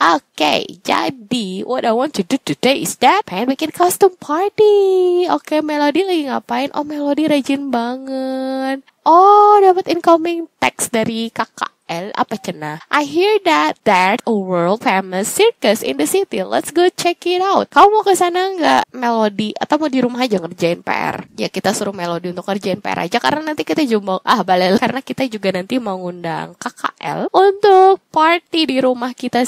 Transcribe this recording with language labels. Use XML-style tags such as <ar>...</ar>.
<en>Okay, jadi what I want to do today is that</en> <id>pengen bikin costume party. Okay, Melody lagi ngapain? Oh, Melody rajin banget. Oh, dapat incoming text dari kakak.</id> <en>I hear that there's a world famous circus in the city. Let's go check it out.</en> <id>Kamu mau ke sana enggak, Melody? Atau mau di rumah aja ngerjain PR? Ya, kita suruh Melody untuk ngerjain PR aja karena nanti kita jumpa. Ah, balel. Karena kita juga nanti mau ngundang KKL untuk party di rumah kita.</id>